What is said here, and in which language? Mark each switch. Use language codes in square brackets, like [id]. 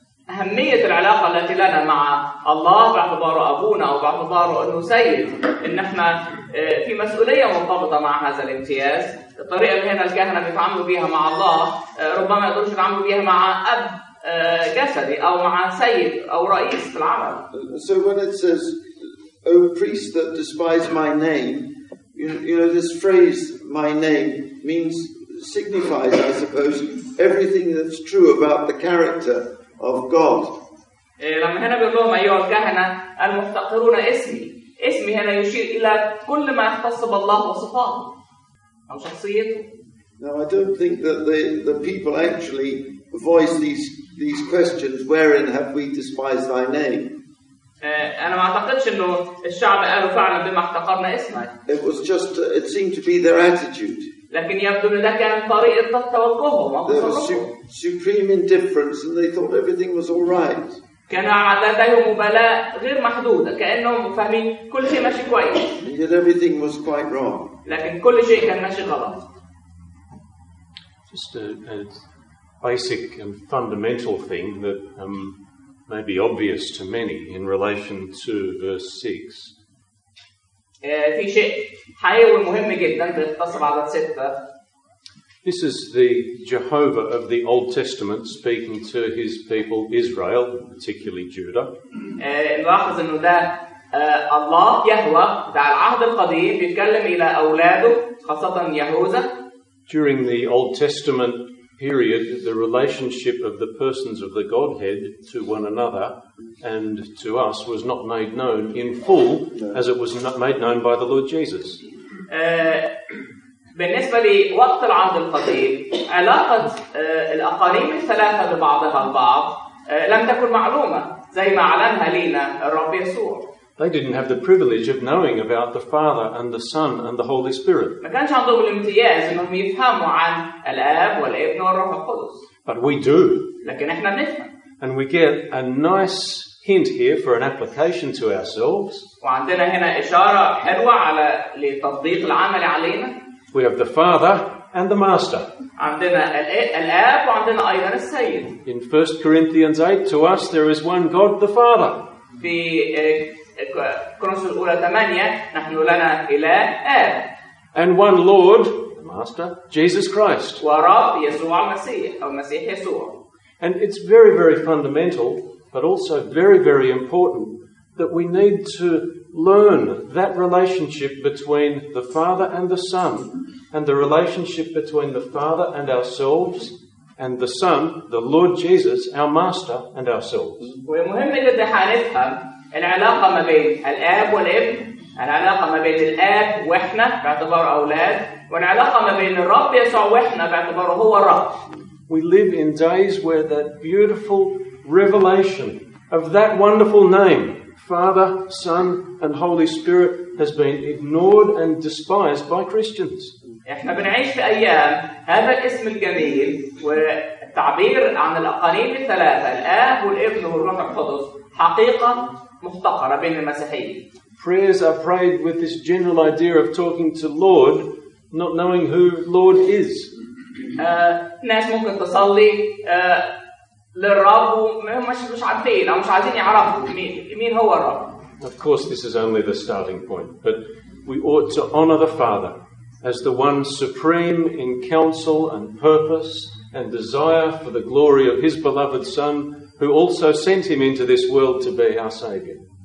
[ar] أهمية العلاقة التي لنا مع الله باعتباره أبونا أو باعتباره أنه سيد، إن إحنا في مسؤولية مرتبطة مع هذا الامتياز. الطريقة اللي هنا الكهنة بيتعاملوا بيها مع الله ربما يقدرش يتعاملوا بيها مع أب جسدي أو مع سيد أو رئيس في العمل. [en] So when it says, O priest that despise my name, you know this phrase, my name, means, signifies, I suppose, everything that's true about the character of God. [ar] لما هنا بيقولهم أيها الكهنة المفتقرون اسمي، اسمي هنا يشير إلى كل ما يختص بالله وصفاته أو شخصيته. [en] Now I don't think that the people actually voice these questions, wherein have we despised thy name? [ar] أنا ما أعتقدش إنه الشعب قالوا فعلا بما احتقرنا اسمك. [en] It was just, it seemed to be their attitude. [ar] لكن يبدو أن ده كان طريقة توجههم. [en] There was supreme indifference and they thought everything was all right. [ar] كان لديهم مبالاة غير محدودة، كأنهم فاهمين كل شيء ماشي كويس. [en] And yet everything was quite wrong. [ar] لكن كل شيء كان ماشي غلط. [en] Just a basic and fundamental thing that may be obvious to many in relation to verse 6. [ar] في شيء حيوي مهم جدا بيتصل على ستة. [en] This is the Jehovah of the Old Testament speaking to his people Israel, particularly Judah. [ar] نلاحظ انه ده الله يهوه بتاع العهد القديم بيتكلم الى اولاده خاصه يهوذا. [en] During the Old Testament period, the relationship of the persons of the Godhead to one another and to us was not made known in full as it was not made known by the Lord Jesus. [ar] بالنسبة لوقت العهد القديم علاقة الأقاليم الثلاثة ببعضها البعض لم تكن معلومة زي ما علمها لينا الرب يسوع. [en] They didn't have the privilege of knowing about the Father and the Son and the Holy Spirit. [ar] ما كانش عندهم الامتياز انهم يفهموا عن الآب والابن والروح القدس. [en] But we do. [ar] لكن احنا بنفهم. [en] And we get a nice hint here for an application to ourselves. [ar] وعندنا هنا إشارة حلوة على لتطبيق العمل علينا. [en] We have the Father and the Master. [ar] عندنا الآب وعندنا أيضا السيد. [en] In 1 Corinthians 8, to us there is one God, the Father. [ar] في كورنثوس الأولى 8 نحن لنا إله آب. [en] And one Lord, the Master, Jesus Christ. [ar] ورب يسوع المسيح أو المسيح يسوع. [en] And it's very, very fundamental, but also very, very important that we need to learn that relationship between the Father and the Son, and the relationship between the Father and ourselves, and the Son, the Lord Jesus, our Master, and ourselves. [ar] ومهم جدا حنفهم العلاقة ما بين الآب والابن، العلاقة ما بين الآب وإحنا باعتبار أولاد، والعلاقة ما بين الرب يسوع وإحنا باعتبار هو الرب. [en] We live in days where that beautiful revelation of that wonderful name, Father, Son, and Holy Spirit, has been ignored and despised by Christians. [ar] إحنا بنعيش في أيام هذا الاسم الجميل والتعبير عن الأقانيم الثلاثة الآب والابن والروح القدس حقيقة مفتقرة بين المسيحيين. [en] Prayers are prayed with this general idea of talking to Lord, not knowing who Lord is. [ar] ناس ممكن تصلي للرب ومش عارفين أو مش عايزين يعرفوا مين هو الرب. [en] Of course, this is only the starting point, but we ought to honor the Father as the one supreme in counsel and purpose and desire for the glory of his beloved Son, who also sent him into this world to be our Savior.